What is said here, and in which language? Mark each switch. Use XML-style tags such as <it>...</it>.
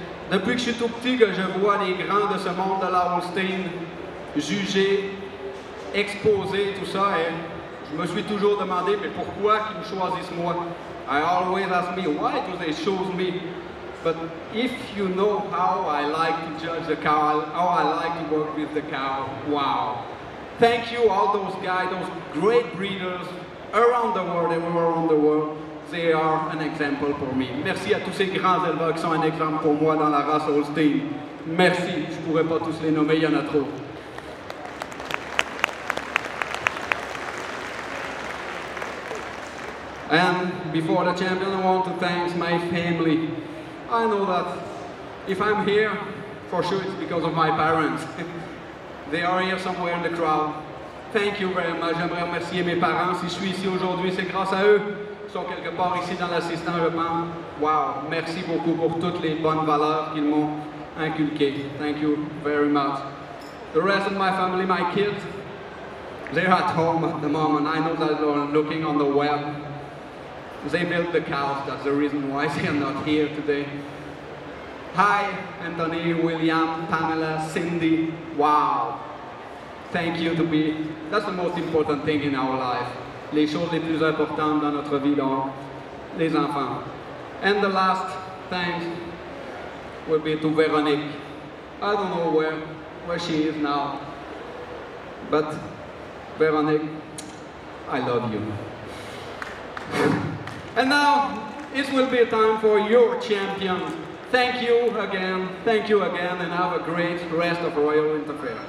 <fr>Depuis que je suis tout petit, que je vois les grands de ce monde de la Holstein juger, exposer, tout ça, et je me suis toujours demandé, mais pourquoi ils me choisissent moi?</fr> <en>I always ask me, why do they choose me? But if you know how I like to judge the cow, how I like to work with the cow, wow. Thank you all those guys, those great breeders around the world, everywhere around the world. They are an example for me.</en> <fr>Merci à tous ces grands éleveurs qui sont un exemple pour moi dans la race Holstein. Merci. Je ne pourrais pas tous les nommer, il y en a trop.</fr> <en>And before the champion, I want to thank my family. I know that if I'm here, for sure it's because of my parents. They are here somewhere in the crowd. Thank you very much.</en> <fr>J'aimerais remercier mes parents. Si je suis ici aujourd'hui, c'est grâce à eux. Sont quelque part ici dans l'assistant, je pense. Wow, merci beaucoup pour toutes les bonnes valeurs qu'ils m'ont inculquées.</fr> <en>Thank you very much. The rest of my family, my kids, they're at home at the moment. I know that they're looking on the web. They built the cows, that's the reason why they are not here today. Hi, Anthony, William, Pamela, Cindy. Wow, thank you to be, that's the most important thing in our life.</en> <fr>Les choses les plus importantes dans notre vie, donc, les enfants.</fr> <en>And the last thanks will be to Véronique. I don't know where she is now, but Véronique, I love you. And now, it will be time for your champion. Thank you again, and have a great rest of Royal Winterfell.</en>